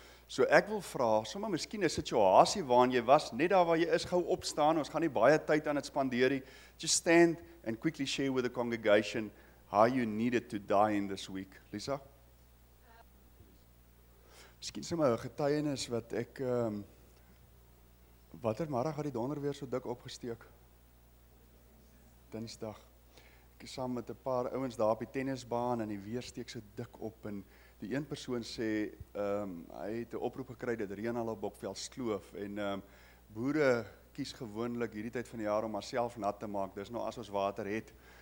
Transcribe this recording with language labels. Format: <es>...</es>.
<af>So ek wil vra, sommer miskien 'n situasie waarin jy was, net daar waar jy is, gou opstaan, ons gaan nie baie tyd aan dit spandeer nie.</af> <en>Just stand and quickly share with the congregation how you needed to die in this week. Lisa?</en> <af>Miskien sommer 'n getuienis wat ek, watter middag het die donder weer so dik opgesteek? Dinsdag. Ek is saam met 'n paar ouens daar op die tennisbaan en die weer steek so dik op en die een persoon sê, hy het 'n oproep gekry dat reën al op Bokveld skloof en boere kies gewoonlik hierdie tyd van die jaar om myself nat te maak, dis nou as ons water het,</af>